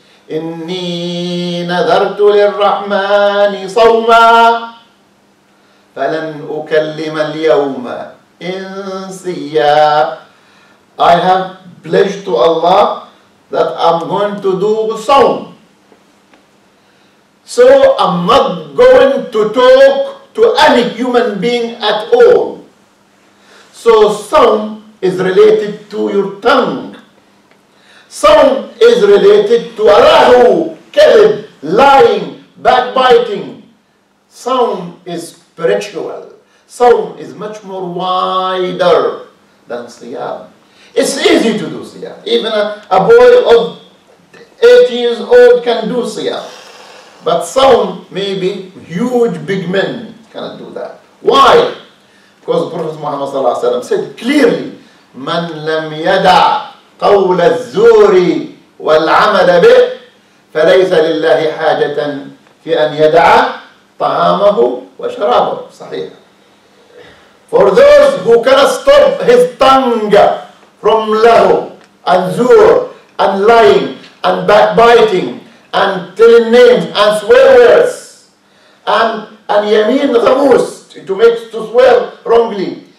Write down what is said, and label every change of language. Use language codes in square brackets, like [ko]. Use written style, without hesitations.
[ar] إني نذرت للرحمن صوما فلن أكلم اليوم إنسيا. [en] I have pledged to Allah that I'm going to do صوم. So I'm not going to talk to any human being at all. So صوم is related to your tongue. Sawm is related to arahu, kadhib, lying, backbiting. Sawm is spiritual. Sawm is much more wider than siyam. It's easy to do siyam. Even a boy of 8 years old can do siyam. But sawm, maybe huge big men cannot do that. Why? Because Prophet Muhammad sallallahu alaihi wasallam said clearly, man lam yada [ar] قول الزور والعمل به فليس لله حاجة في أن يدع طعامه وشرابه. صحيح. [en] For those who cannot stop his tongue from lahu and zur and lying and backbiting and telling names and swear words and yamin ghamus, to make to swear wrongly.